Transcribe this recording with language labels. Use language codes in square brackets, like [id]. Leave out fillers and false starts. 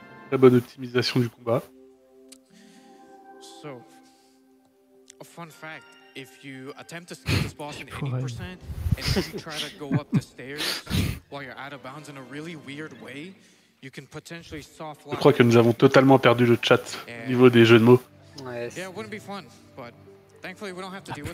[fr] Très bonne optimisation du combat. [en] So, a fun fact, if you attempt to skip this boss in 80% and if you try to go up the stairs while you're out of bounds in a really weird way, you can potentially soft lock. [fr] Je crois que nous avons totalement perdu le chat au niveau des jeux de mots. [en] Nice. Yeah, it wouldn't be fun, but thankfully we don't have to deal with